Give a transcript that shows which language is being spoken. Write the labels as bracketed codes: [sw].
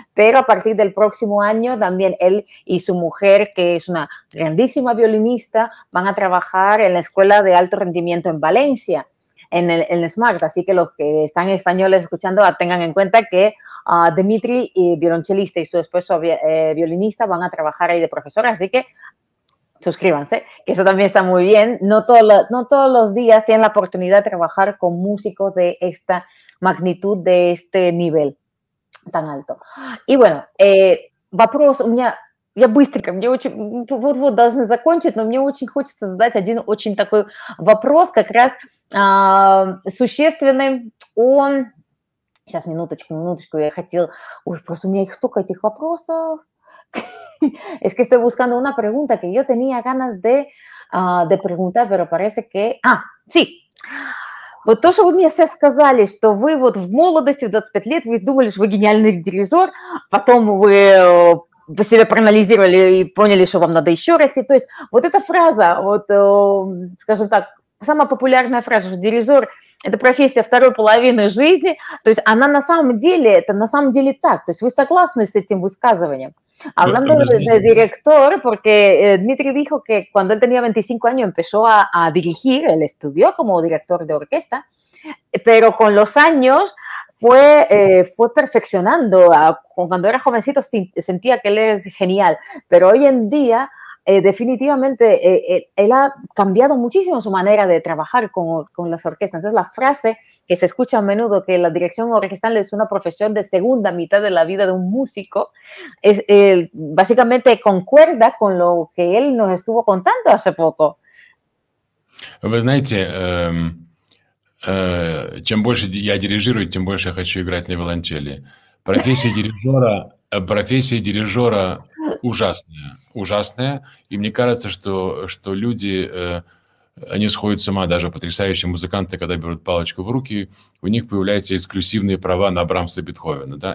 [es] Pero a partir del próximo año, también él y su mujer, que es una grandísima violinista, van a trabajar en la Escuela de Alto Rendimiento en Valencia, en el SMART, así que los que están españoles escuchando, tengan en cuenta que Dmitri, violonchelista, y su esposo, violinista, van a trabajar ahí de profesor, así que suscríbanse, que eso también está muy bien. No todos los días tienen la oportunidad de trabajar con músicos de esta magnitud, de este nivel tan alto. Y bueno, [ru] вопрос у меня... Я быстренько, мне очень... Вот-вот должны закончить, но мне очень хочется задать один очень такой вопрос, как раз существенный. Он... Сейчас, минуточку, я хотел... Ой, просто у меня их столько, этих вопросов. [es] Es que estoy buscando una pregunta que yo tenía ganas de preguntar, pero parece que... sí. [ru] Вот то, что вы мне сейчас сказали, что вы вот в молодости, в 25 лет, вы думали, что вы гениальный дирижер, потом вы себя проанализировали и поняли, что вам надо еще расти. То есть вот эта фраза, вот, скажем так, самая популярная фраза, что дирижер – это профессия второй половины жизни, то есть она на самом деле, это на самом деле так. То есть вы согласны с этим высказыванием? [es] Hablando de director, porque Dmitri dijo que cuando él tenía 25 años empezó a dirigir, él estudió como director de orquesta, pero con los años fue perfeccionando. Cuando era jovencito sentía que él es genial, pero hoy en día definitivamente él ha cambiado muchísimo su manera de trabajar con las orquestas. Entonces, la frase que se escucha a menudo, que la dirección orquestal es una profesión de segunda mitad de la vida de un músico, básicamente concuerda con lo que él nos estuvo contando hace poco. [ru] Вы знаете, чем больше я дирижирую, тем больше я хочу играть на виолончели. Профессия дирижера ужасное, ужасное. И мне кажется, что люди, они сходят с ума, даже потрясающие музыканты, когда берут палочку в руки, у них появляются эксклюзивные права на Брамса и Бетховена. Да?